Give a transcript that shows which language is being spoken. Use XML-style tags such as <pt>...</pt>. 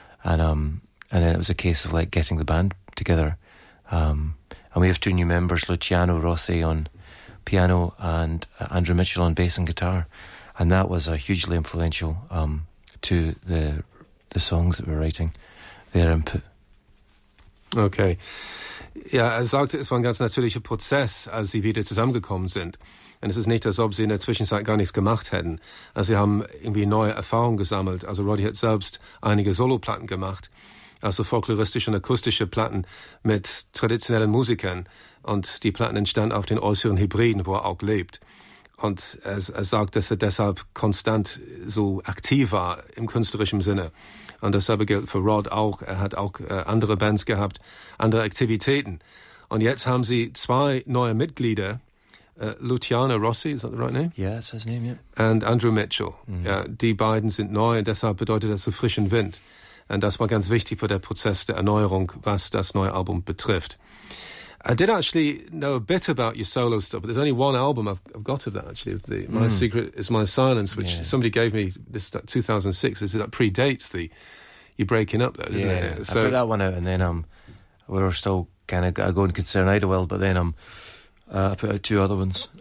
<en>And then it was a case of, like, getting the band together. And we have two new members, Luciano Rossi on piano and Andrew Mitchell on bass and guitar. And that was hugely influential to the songs that we're writing. Their input. Okay.</en> <de>Ja, er sagte, es war ein ganz natürlicher Prozess, als sie wieder zusammengekommen sind. Und es ist nicht, als ob sie in der Zwischenzeit gar nichts gemacht hätten. Also sie haben irgendwie neue Erfahrungen gesammelt. Also Roddy hat selbst einige Soloplatten gemacht, also folkloristische und akustische Platten mit traditionellen Musikern. Und die Platten entstanden auf den äußeren Hybriden, wo er auch lebt. Und er sagt, dass er deshalb konstant so aktiv war im künstlerischen Sinne. Und dasselbe gilt für Rod auch. Er hat auch andere Bands gehabt, andere Aktivitäten. Und jetzt haben sie zwei neue Mitglieder. Luciano Rossi,</de> <en>is that the right name? Yeah, that's his name, yeah. And Andrew Mitchell. Mm-hmm.</en> <de>Ja, die beiden sind neu und deshalb bedeutet das so frischen Wind. Und das war ganz wichtig für den Prozess der Erneuerung, was das neue Album betrifft.</de> <en>I did actually know a bit about your solo stuff, but there's only one album I've got of that, actually. My Secret Is My Silence, which somebody gave me this 2006. Is that predates the you breaking up, though, doesn't it? So, I put that one out, and then we were still kind of going Concern Idlewild, but then I put out two other ones.</en>